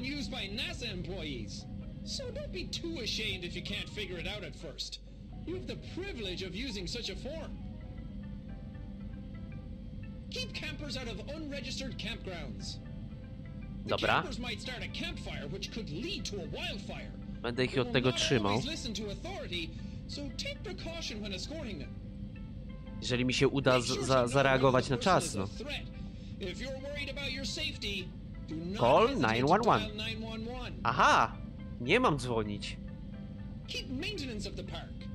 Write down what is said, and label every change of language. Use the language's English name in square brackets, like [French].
[English] Often used by NASA employees. So don't be too ashamed if you can't figure it out at first. You have the privilege of using such a form. Keep campers out of unregistered campgrounds. [Polish] Dobra. [English] The campers might start a campfire, which could lead to a wildfire. [Polish] Będę ich od tego trzymał. [English] Listen to authority. So take precaution when escorting them. [Polish] Jeżeli mi się uda zareagować na czas, no. [English] If you're worried about your safety, do not call 911. [Polish] Aha, nie mam dzwonić. [English] Keep maintenance of the park.